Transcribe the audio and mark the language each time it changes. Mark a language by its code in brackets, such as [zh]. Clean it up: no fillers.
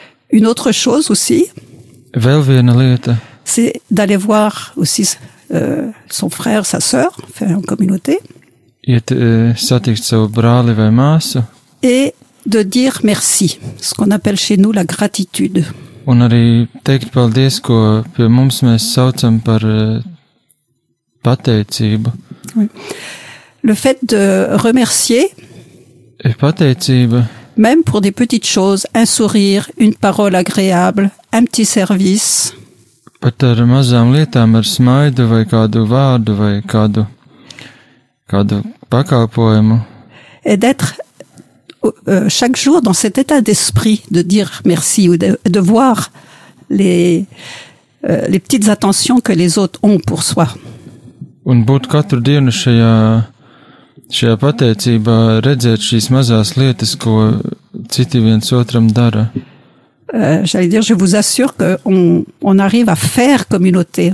[fr] Une autre chose aussi. [lv] Vēl viena lieta. [fr] C'est d'aller voir aussi son frère, sa sœur, faire en communauté. [lv] Iet satikt savu brāli vai māsu. [fr] Et de dire merci, ce qu'on appelle chez nous la gratitude. [lv] Un arī teikt paldies, ko pie mums mēs saucam par pateicību. [fr] Le fait de remercier. [lv] Et pateicība. [fr] Même pour des petites choses, un sourire, une parole agréable, un petit service. [lv] Pat ar mazām lietām, ar smaidu vai kādu vārdu vai kādu pakalpojumu. [fr] Et d'être chaque jour dans cet état d'esprit de dire merci ou de voir les petites attentions que les autres ont pour soi. [lv] Un būt katru dienu šajā pateicībā redzēt šīs mazās lietas, ko citi viens otram dara. [fr] J'allais dire, je vous assure qu'on arrive à faire communauté.